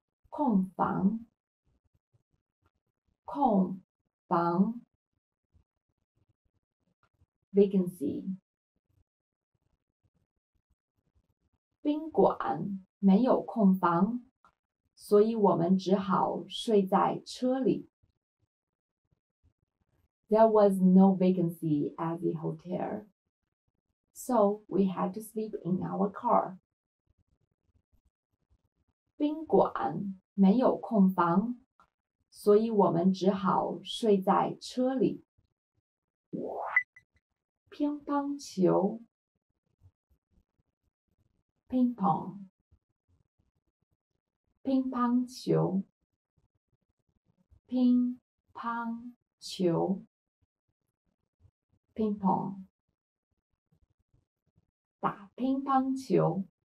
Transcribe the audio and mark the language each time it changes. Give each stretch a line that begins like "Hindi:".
Chinese: 空房空房
English: vacancy.
Chinese: 宾馆没有空房，所以我们只好睡在车里。
English: There was no vacancy at the hotel, so we had to sleep in our car.
Chinese: 宾馆没有空房，所以我们只好睡在车里。乒乓球
English: ping pong,
Chinese: 乒乓球 ping pong 球乒乓打乒乓球